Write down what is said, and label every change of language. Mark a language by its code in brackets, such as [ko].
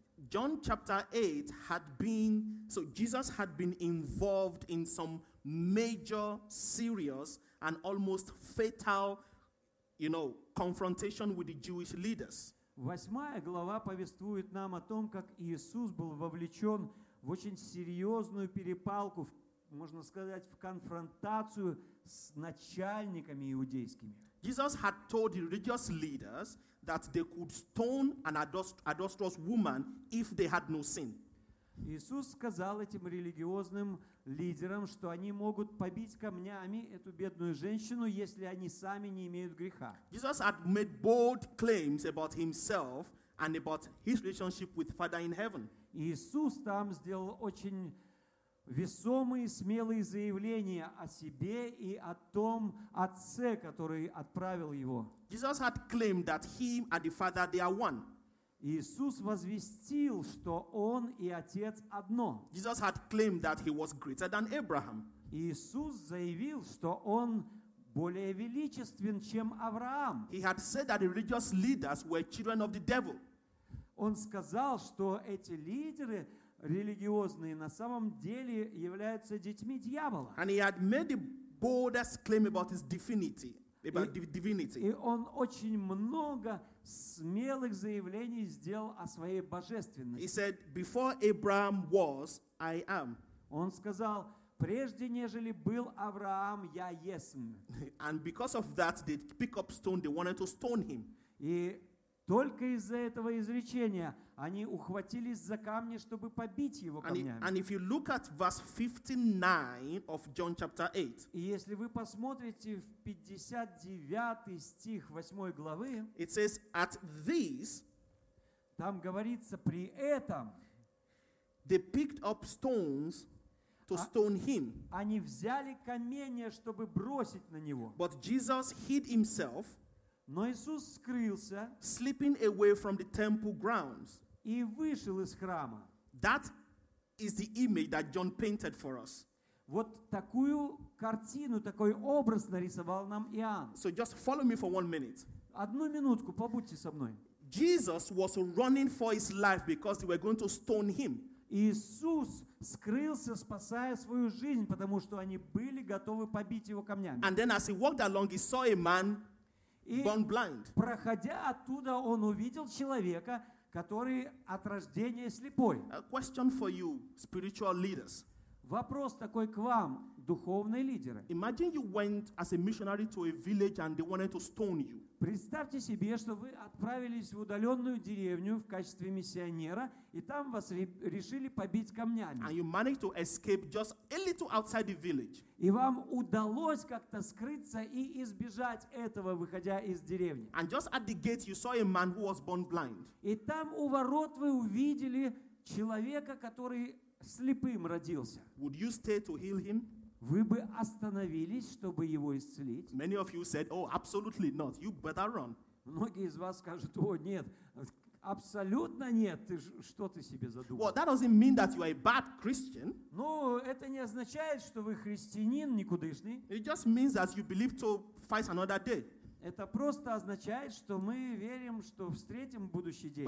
[en] John chapter 8 had been, so Jesus had been involved in some major, serious and almost fatal, you know, confrontation with the Jewish leaders. [ru] Восьмая глава повествует нам о том, как Иисус был вовлечен в очень серьезную перепалку, можно сказать, в конфронтацию с начальниками иудейскими. [en] Jesus had told the religious leaders that they could stone an adulterous woman if they had no sin. [ru] Иисус сказал этим религиозным лидерам, что они могут побить камнями эту бедную женщину, если они сами не имеют греха. [en] Jesus had made bold claims about himself and about his relationship with Father in heaven. [ru] Иисус там сделал очень весомые, смелые заявления о себе и о том отце, который отправил его. [en] Jesus had claimed that he and the Father they are one. [ru] Иисус возвестил, что он и отец одно. [en] Jesus had claimed that he was greater than Abraham. [ru] Иисус заявил, что он более величествен, чем Авраам. [en] He had said that the religious leaders were children of the devil. [ru] Он сказал, что эти лидеры религиозные на самом деле являются детьми дьявола. [en] And he had made the boldest claim about his divinity. About divinity. [ru] И он очень много смелых заявлений сделал о своей божественности. [en] He said, "Before Abraham was, I am." [ru] Он сказал, прежде нежели был Авраам, я есть. [en] And because of that, they pick up stone. They wanted to stone him. [ru] И только из-за этого изречения они ухватились за камни, чтобы побить его камнями. [en] And if you look at verse 59 of John chapter 8, [ru] и если вы посмотрите в 59 стих 8 главы, [en] it says, at this, [ru] там говорится, при этом, [en] they picked up stones to stone him. [ru] Они взяли камни, чтобы бросить на него. [en] But Jesus hid himself, [ru] но Иисус скрылся, [en] slipping away from the temple grounds. [ru] И вышел из храма. [en] That is the image that John painted for us. [ru] Вот такую картину, такой образ нарисовал нам Иоанн. [en] So just follow me for 1 minute. [ru] Одну минутку, побудьте со мной. [en] Jesus was running for his life because they were going to stone him. [ru] Иисус скрылся, спасая свою жизнь, потому что они были готовы побить его камнями. [en] And then as he walked along, he saw a man born blind. [ru] И проходя оттуда, он увидел человека, который от рождения слепой. [en] A question for you, spiritual leaders. [ru] Вопрос такой к вам, духовные лидеры. [en] Imagine you went as a missionary to a village and they wanted to stone you. [ru] Представьте себе, что вы отправились в удаленную деревню в качестве миссионера, и там вас решили побить камнями. [en] And you managed to escape just a little outside the village. [ru] И вам удалось как-то скрыться и избежать этого, выходя из деревни. [en] And just at the gate you saw a man who was born blind. [ru] И там у ворот вы увидели человека, который слепым родился. [en] Would you stay to heal him? [ru] Вы бы остановились, чтобы его исцелить? [en] Many of you said, "Oh, absolutely not. You better run." [ru] Многие из вас скажут: "О, нет, абсолютно нет. Ты что ты себе задумал?" [en] Well, that doesn't mean that you are a bad Christian. [ru] Ну, это не означает, что вы христианин никудышный. [en] It just means that you believe to fight another day. [ru] Это просто означает, что мы верим, что встретим будущий день.